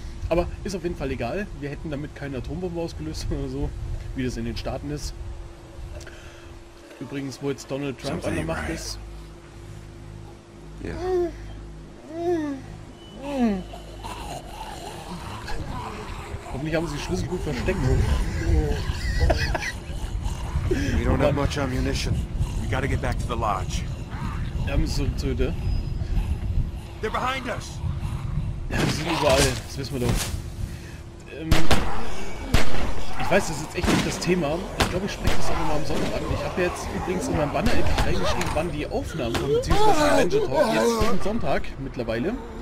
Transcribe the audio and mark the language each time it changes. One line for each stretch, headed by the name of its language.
German: Aber ist auf jeden Fall egal. Wir hätten damit keine Atombombe ausgelöst oder so, wie das in den Staaten ist. Übrigens, wo jetzt Donald Trump an der Macht ist. Ja.
English: Yeah.
German: Hoffentlich haben sie die Schlüssel gut versteckt.
English: We don't have much ammunition. We gotta get back to the lodge. They're behind us.
German: Sie sind überall, das wissen wir doch. Ich weiß, das ist jetzt echt nicht das Thema. Ich glaube, ich spreche das auch nochmal am Sonntag an. Ich habe jetzt übrigens in meinem Banner endlich reingeschrieben, wann die Aufnahmen kommen, beziehungsweise Avenger Talk. Jetzt ist es Sonntag mittlerweile.